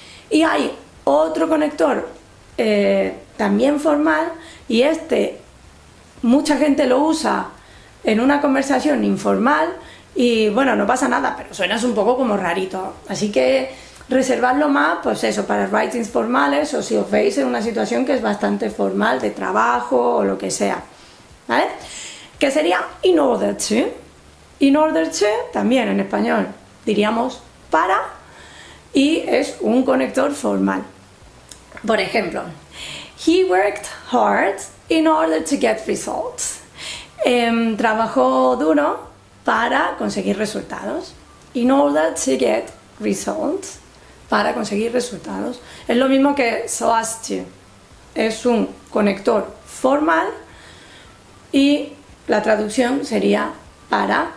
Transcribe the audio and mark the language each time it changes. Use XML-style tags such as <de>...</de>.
<es>Y hay otro conector también formal, y este mucha gente lo usa en una conversación informal y bueno, no pasa nada, pero suena un poco como rarito, así que reservadlo más, pues eso, para writings formales o si os veis en una situación que es bastante formal, de trabajo o lo que sea, ¿vale? Que sería in order to, también en español diríamos para, y es un conector formal. Por ejemplo,</es> <en>he worked hard in order to get results.</en> <es>Trabajó duro para conseguir resultados.</es> <en>In order to get results,</en> <es>para conseguir resultados. Es lo mismo que so as to. Es un conector formal y la traducción sería para.</es>